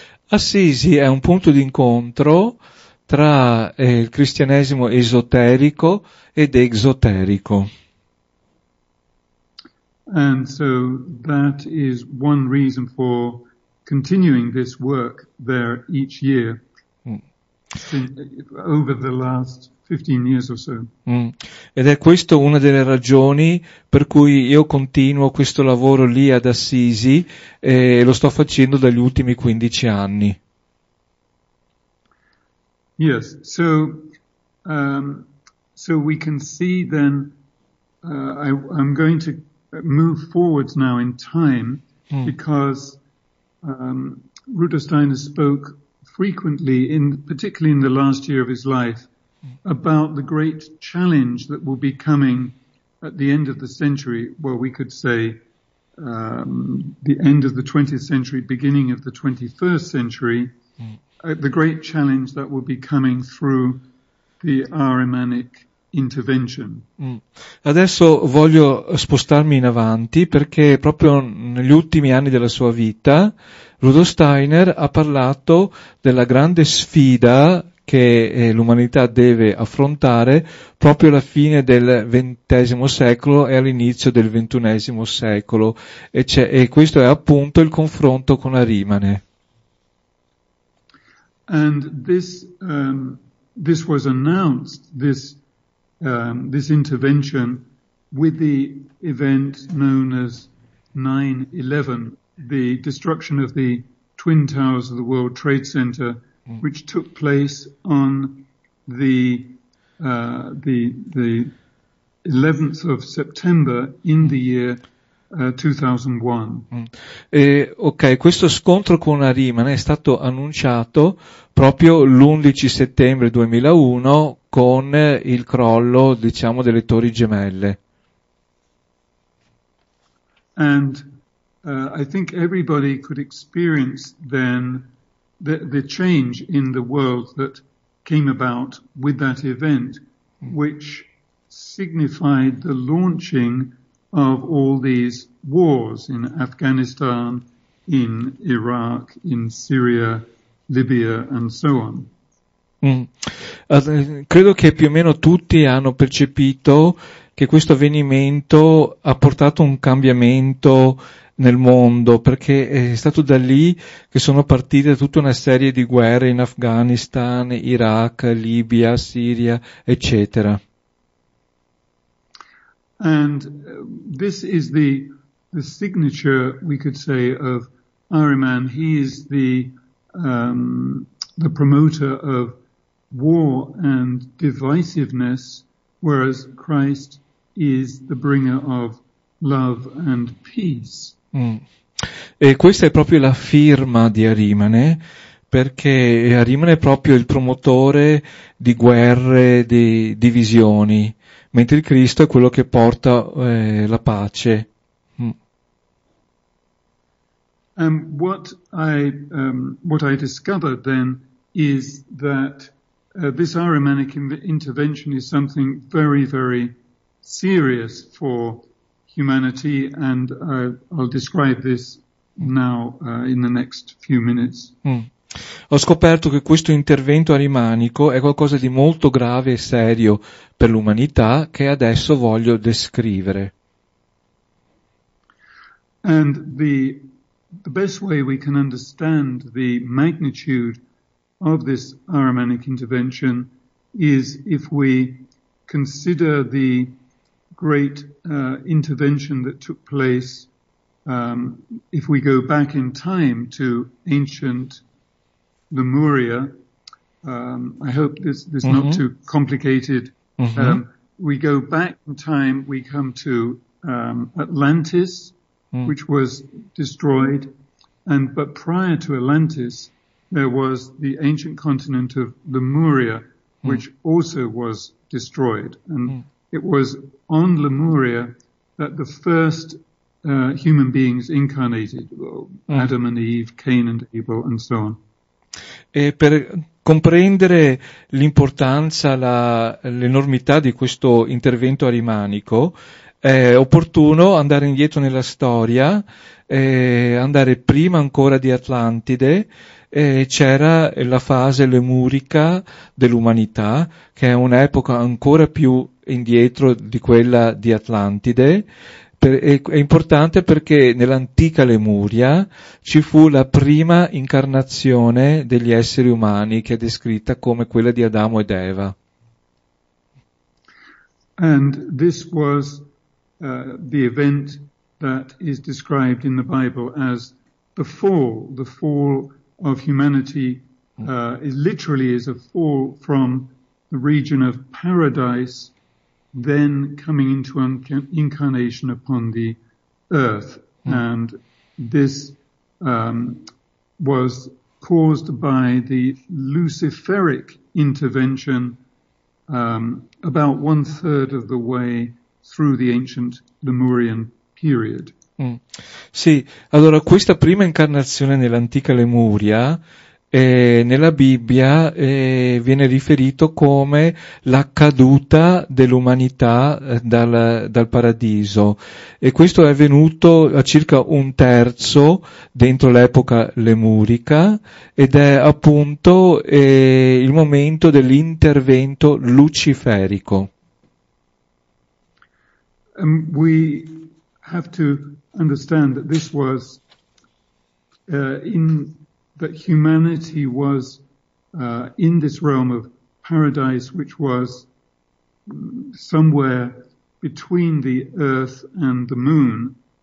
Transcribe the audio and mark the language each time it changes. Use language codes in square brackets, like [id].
[it] Assisi è un punto di incontro tra il cristianesimo esoterico ed exoterico. [en] And so that is one reason for continuing this work there each year. Over the last 15 years or so. [it] Ed è questo una delle ragioni per cui io continuo questo lavoro lì ad Assisi, e lo sto facendo dagli ultimi 15 anni. [en] Yes, so So we can see then, I'm going to move forward now in time, because Rudolf Steiner spoke frequently, particularly in the last year of his life, about the great challenge that will be coming at the end of the century, well, we could say the end of the 20th century, beginning of the 21st century, the great challenge that will be coming through the Ahrimanic intervention. [it] Adesso voglio spostarmi in avanti, perché proprio negli ultimi anni della sua vita Rudolf Steiner ha parlato della grande sfida che l'umanità deve affrontare proprio alla fine del XX secolo e all'inizio del XXI secolo, e questo è appunto il confronto con Ahrimane. [en] And this this was announced, this intervention, with the event known as 9/11, the destruction of the Twin Towers of the World Trade Center, which took place on the 11th of September in the year 2001. [it] Ok, questo scontro con Ahrimane è stato annunciato proprio l'11 settembre 2001 con il crollo, diciamo, delle Torri Gemelle. [en] And I think everybody could experience then the change in the world that came about with that event, which signified the launching of all these wars in Afghanistan, in Iraq, in Syria, Libya, and so on. [it] Credo che più o meno tutti hanno percepito che questo avvenimento ha portato un cambiamento nel mondo, perché è stato da lì che sono partite tutta una serie di guerre in Afghanistan, Iraq, Libia, Siria, eccetera. [en] And this is the signature, we could say, of Ahriman. He is the promoter of war and divisiveness, whereas Christ is the bringer of love and peace. [it] E questa è proprio la firma di Ahrimane, perché Ahrimane è proprio il promotore di guerre, di divisioni, mentre il Cristo è quello che porta la pace. [en] And what I discovered then is that this Ahrimanic intervention is something very, very serious for humanity, and I'll describe this now in the next few minutes. [it] Ho scoperto che questo intervento arimanico è qualcosa di molto grave e serio per l'umanità, che adesso voglio descrivere. [en] And the best way we can understand the magnitude of this Ahrimanic intervention is if we consider the great intervention that took place, if we go back in time to ancient Lemuria. I hope this is not too complicated. Mm-hmm. We go back in time, we come to Atlantis, which was destroyed, but prior to Atlantis, there was the ancient continent of Lemuria, which also was destroyed. And it was on Lemuria that the first human beings incarnated, Adam and Eve, Cain and Abel, and so on. [it] E per comprendere l'importanza, l'enormità di questo intervento arimanico, è opportuno andare indietro nella storia, andare prima ancora di Atlantide. C'era la fase lemurica dell'umanità, che è un'epoca ancora più indietro di quella di Atlantide. È importante perché nell'antica Lemuria ci fu la prima incarnazione degli esseri umani, che è descritta come quella di Adamo ed Eva. [en] And this was the event that is described in the Bible as the fall of humanity, literally is a fall from the region of paradise, then coming into incarnation upon the earth. Mm. And this was caused by the Luciferic intervention about one third of the way through the ancient Lemurian period. Mm. [it] Sì, allora questa prima incarnazione nell'antica Lemuria nella Bibbia viene riferito come la caduta dell'umanità dal paradiso, e questo è avvenuto a circa un terzo dentro l'epoca lemurica, ed è appunto il momento dell'intervento luciferico. [en] We have to understand that this was that humanity was in this realm of paradise, which was somewhere between the earth and the moon.